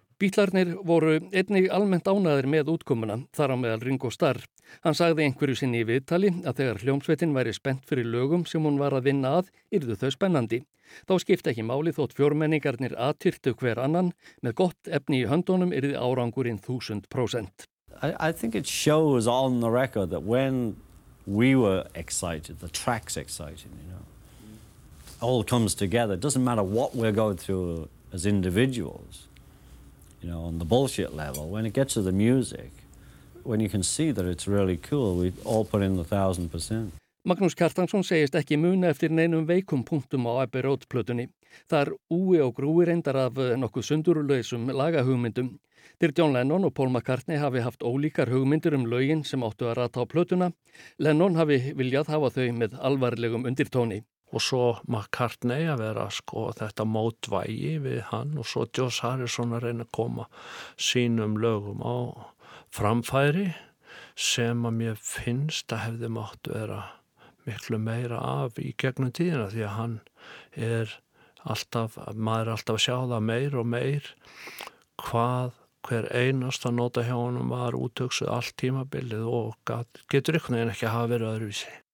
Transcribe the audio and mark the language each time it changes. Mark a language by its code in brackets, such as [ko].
[is] Bítlarnir voru einnig almennt ánægðir með útkomuna, þar á meðal Ringo Starr. Hann sagði einhverju sinni í viðtali að þegar hljómsveitin væri spennt fyrir lögum sem hún var að vinna að, yrðu þau spennandi. Þá skipti ekki máli þótt fjórmenningarnir aðtyrtu hver annan, með gott efni í höndunum yrði árangurinn 1000%. [en] I think it shows on the record that when we were excited, the track's exciting, you know, all comes together, it doesn't matter what we're going through as individuals, you know, on the bullshit level, when it gets to the music, when you can see that it's really cool, we all put in the 1000%. [is] Magnús Kjartansson segist ekki muna eftir neinum veikum punktum á Abbey Road plötunni. Þar úi og grúi reyndar af nokkuð sundurlausum lagahugmyndum. Þeir John Lennon og Paul McCartney hafi haft ólíkar hugmyndir lögin sem áttu að rata á plötuna. Lennon hafi viljað hafa þau með alvarlegum undirtóni. Og svo McCartney að vera sko þetta mótvægi við hann og svo Joss Harrison að reyna að koma sínum lögum á framfæri sem að mér finnst að hefði mátt vera miklu meira af í gegnum tíðina því að hann er alltaf, maður er alltaf að sjá það meir og meir hvað, hver einasta nota hjá honum var útöksuð allt tímabilið og getur ykkur neginn ekki að hafa verið öðruvísi.